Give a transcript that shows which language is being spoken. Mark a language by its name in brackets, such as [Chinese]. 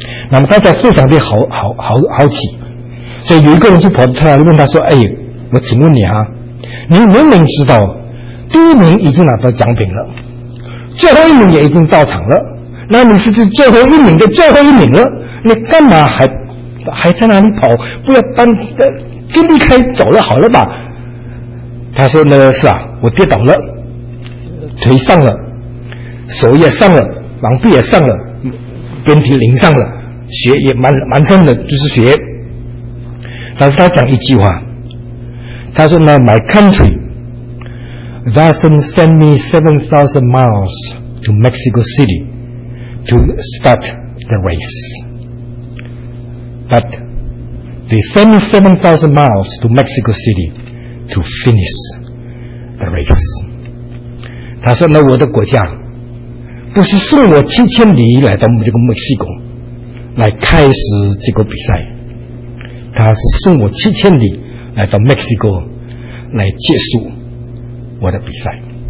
[Chinese] 那么大家非常的好奇，所以有一个人就跑出来问他说，哎，我请问你啊，你明明知道第一名已经拿到奖品了，最后一名也已经到场了，那你是最后一名的最后一名了，你干嘛还在那里跑，不要搬就离开走了好了吧。他说呢，是啊，我跌倒了，腿上了，手也上了，膀臂也上了，遍体鳞伤了，血也满身的就是血。但是他讲一句话，他说呢 [English] My country doesn't send me 7,000 miles to Mexico City to start the race, but they send me 7,000 miles to Mexico City to finish the race. [Chinese] 他说呢，我的国家不是送我7000里来到这个墨西哥来开始这个比赛，他是送我7000里来到 Mexico 来结束我的比赛。